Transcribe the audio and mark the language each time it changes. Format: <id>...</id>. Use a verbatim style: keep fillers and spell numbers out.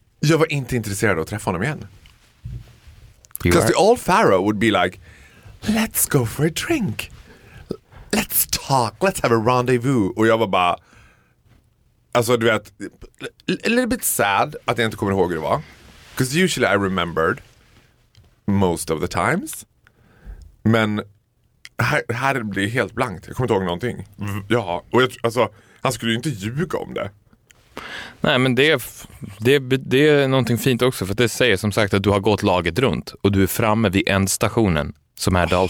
<sv>Jag var inte intresserad av att träffa honom igen.</sv> <en>Because the old pharaoh would be like, let's go for a drink. Let's talk. Let's have a rendezvous.</en> <sv>Och jag var bara, alltså du vet,</sv> <en>a little bit sad</en> <sv>att jag inte kommer ihåg hur det var.</sv> <en>Because usually I remembered most of the times.</en> <sv>Men här, här blir det helt blankt. Jag kommer inte ihåg någonting. Mm. Ja, och jag, alltså, han skulle ju inte ljuga om det. Nej, men det, det, det är någonting fint också. För det säger som sagt att du har gått laget runt. Och du är framme vid ändstationen som är oh.</sv>